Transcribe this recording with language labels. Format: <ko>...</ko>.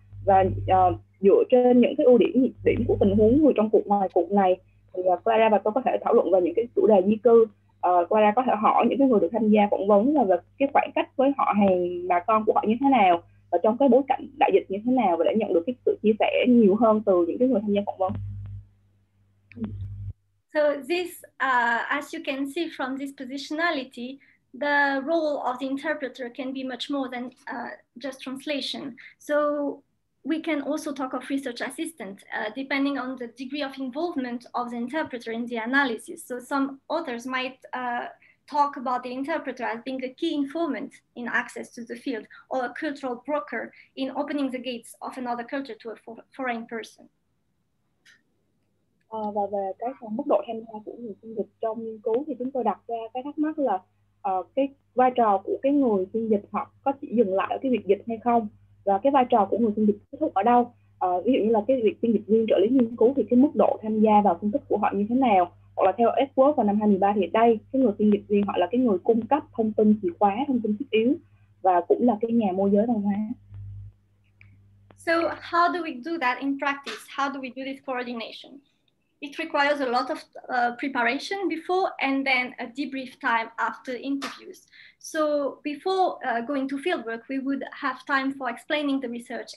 <vi>Và dựa trên những cái ưu điểm nhược điểm của tình huống người trong cuộc ngoài cuộc này, thì Clara và tôi có thể thảo luận về những cái chủ đề di cư. Clara có thể hỏi những cái người được tham gia phỏng vấn là về cái khoảng cách với họ hàng bà con của họ như thế nào, và trong cái bối cảnh đại dịch như thế nào, và đã nhận được cái sự chia sẻ nhiều hơn từ những cái người tham gia phỏng vấn.</vi> <en>So this, as you can see from this positionality, the role of the interpreter can be much more than just translation. So we can also talk of research assistant, depending on the degree of involvement of the interpreter in the analysis. So some authors might talk about the interpreter as being a key informant in access to the field, or a cultural broker in opening the gates of another culture to a foreign person.</en> <vi>Và về cái phần mức độ tham gia của người phiên dịch trong nghiên cứu thì chúng tôi đặt ra cái thắc mắc là cái vai trò của cái người phiên dịch họ có chỉ dừng lại ở cái việc dịch hay không, và cái vai trò của người phiên dịch kết thúc ở đâu. Ví dụ như là cái việc phiên dịch viên trợ lý nghiên cứu thì cái mức độ tham gia vào phân tích của họ như thế nào, hoặc là theo Edward vào năm 2013 thì đây cái người phiên dịch viên họ là cái người cung cấp thông tin chìa khóa, thông tin thiết yếu, và cũng là cái nhà môi giới văn hóa.</vi> <en>So how do we do that in practice? How do we do this coordination? It requires a lot of preparation before and then a debrief time after interviews. So before going to fieldwork, we would have time for explaining the research.</en>